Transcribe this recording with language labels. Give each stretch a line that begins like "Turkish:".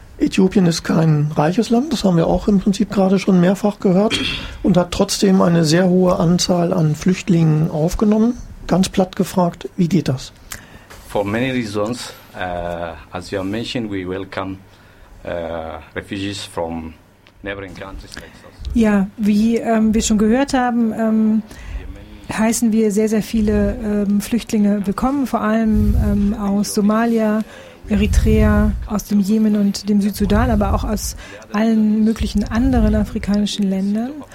German: Äthiopien ist kein reiches Land, das haben wir auch im Prinzip gerade schon mehrfach gehört, und hat trotzdem eine sehr hohe Anzahl an Flüchtlingen aufgenommen. Ganz platt gefragt, wie geht das?
English: For many reasons, as you mentioned, we welcome refugees from neighboring countries.
German: Ja, wie wir schon gehört haben, heißen wir sehr, sehr viele Flüchtlinge willkommen, vor allem aus Somalia, Eritrea, aus dem Jemen und dem Südsudan, aber auch aus allen möglichen anderen afrikanischen Ländern.